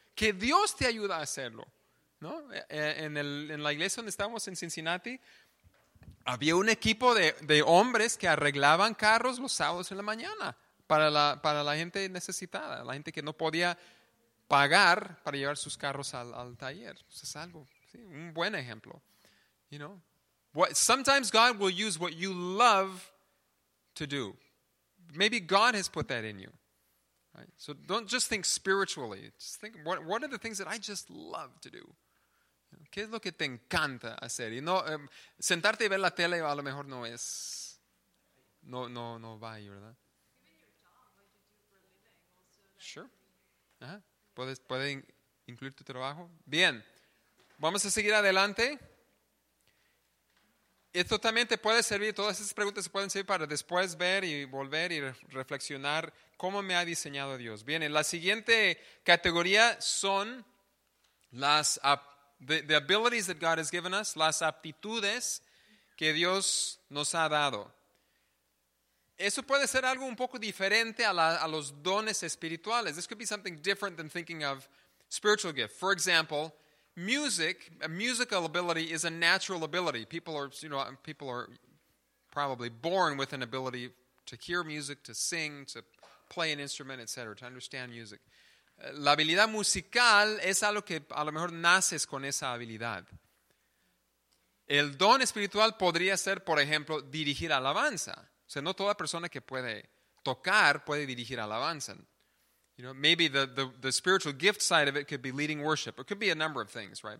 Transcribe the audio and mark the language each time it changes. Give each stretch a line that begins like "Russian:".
Spanish: Que Dios te ayuda a hacerlo. ¿No? En la iglesia donde estamos en Cincinnati, había un equipo de hombres que arreglaban carros los sábados en la mañana. Para la gente necesitada, la gente que no podía pagar para llevar sus carros al taller. Eso es algo, sí, un buen ejemplo.
English: You know, sometimes God will use what you love to do. Maybe God has put that in you. Right? So don't just think spiritually. Just think, what are the things that I just love to do?
Spanish: ¿Qué es lo que te encanta hacer? Y no, sentarte y ver la tele a lo mejor no va ahí, ¿verdad? Sure. Ajá. ¿Puedes incluir tu trabajo? Bien. Vamos a seguir adelante. Esto también te puede servir, todas esas preguntas se pueden servir para después ver y volver y reflexionar cómo me ha diseñado Dios. Bien, la siguiente categoría son las
English: the abilities that God has given us,
Spanish: las aptitudes que Dios nos ha dado. Eso puede ser algo un poco diferente a los dones espirituales.
English: This could be something different than thinking of spiritual gift. For example, music, a musical ability is a natural ability. People are probably born with an ability to hear music, to sing, to play an instrument, etc., to understand music.
Spanish: La habilidad musical es algo que a lo mejor naces con esa habilidad. El don espiritual podría ser, por ejemplo, dirigir alabanza. O sea, no toda persona que puede tocar puede dirigir alabanza.
English: You know, maybe the spiritual gift side of it could be leading worship. It could be a number of things, right?